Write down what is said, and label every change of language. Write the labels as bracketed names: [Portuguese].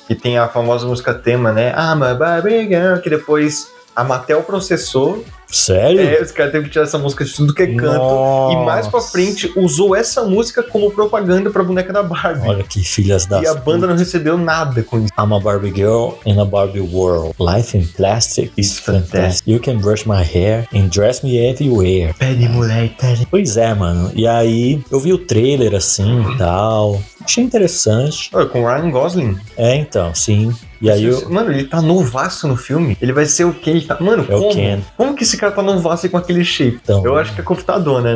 [Portuguese] Que tem a famosa música tema, né? [English] I'm a Barbie Girl, [Portuguese] que depois a Mattel processou. Sério? É, os caras teve que tirar essa música de tudo que é canto. Nossa. E mais pra frente, usou essa música como propaganda pra boneca da Barbie. Olha que filhas das... E a banda não recebeu nada com isso. [English] I'm a Barbie girl in a Barbie world. Life in plastic is fantastic. You can brush my hair and dress me everywhere. [Portuguese] Pede, moleque, pede. Pois é, mano. E aí, eu vi o trailer assim e tal. Achei interessante. Olha, com Ryan Gosling. É, então, sim. E aí eu... Mano, ele tá novaço no filme. Ele vai ser o quê? Ele tá... Mano, é como? O Ken. Como que esse cara tá novaço e com aquele shape? Então, eu acho que é computador, né?